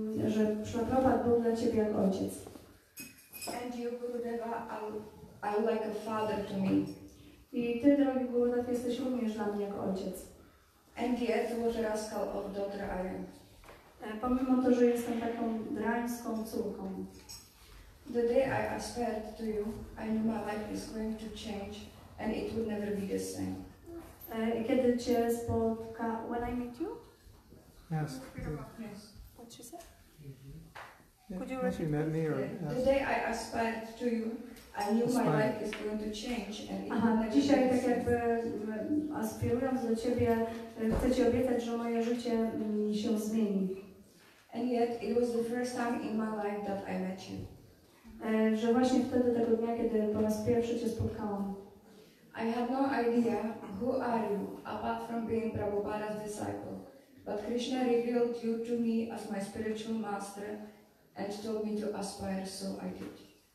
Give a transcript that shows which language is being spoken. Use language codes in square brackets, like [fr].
[pl] że Prabhupada był dla ciebie jak ojciec. [en] And you, Gurudeva, are like a father to me. [pl] I ty, drogi Gurudev, jesteś również dla mnie jak ojciec. [en] And yet, was a rascal of daughter I am. [pl] Pomimo to, że jestem taką drańską córką. [en] The day I aspired to you, I knew my life is going to change and it would never be the same. [pl] Kiedy cię spotka... [en] When I meet you? Yes. What you said? Could you repeat? You met me or the day I aspired to you, I knew my life is going to change and it would never be the same. [pl] Aspirując do ciebie, chcę ci obiecać, że moje życie się zmieni. [en] And yet, it was the first time in my life that I met you. [pl] Że właśnie wtedy tego dnia, kiedy po raz pierwszy cię spotkałam. [en] I had no idea who are you, apart from being Prabhupada's disciple. But Krishna revealed you to me as my spiritual master and told me to aspire, so I did.